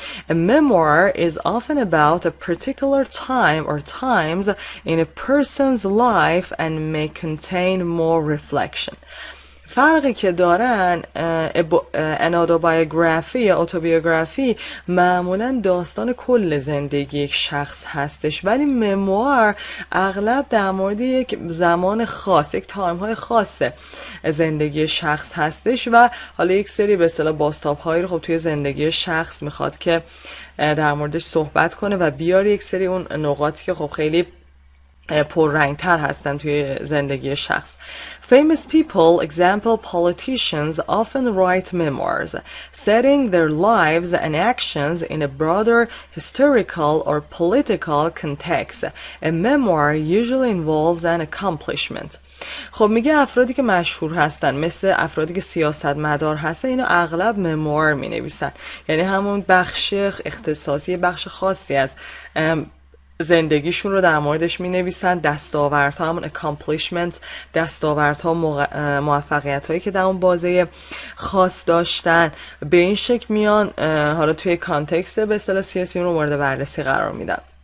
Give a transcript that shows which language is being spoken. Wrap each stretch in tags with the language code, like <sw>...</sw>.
<en>A memoir is often about a particular time or times in a person's life and may contain more reflection.</en> <fa>فرقی که دارن ان اتوبیوگرافی یا اتوبیوگرافی معمولا داستان کل زندگی یک شخص هستش، ولی مموار اغلب در مورد یک زمان خاص، یک تایم های خاص زندگی شخص هستش و حالا یک سری به اصطلاح باستاب هایی رو خب توی زندگی شخص میخواد که در موردش صحبت کنه و بیاره یک سری اون نقاطی که خب خیلی پررنگ تر هستن توی زندگی شخص.</fa> <en>Famous people, example politicians, often write memoirs, setting their lives and actions in a broader historical or political context. A memoir usually involves an accomplishment.</en> <fa>خب میگه افرادی که مشهور هستن، مثل افرادی که سیاستمدار هستن، اینا اغلب ممور می نویسن، یعنی همون بخش اختصاصی، بخش خاصی از زندگیشون رو در موردش می نویسن. دستاورت ها همون اکامپلیشمنت، دستاورت ها موفقیت هایی که در اون بازه خاص داشتن، به این شکل میان حالا توی کانتکست به اصطلاح سیاسی رو مورد بررسی قرار میدن.</fa>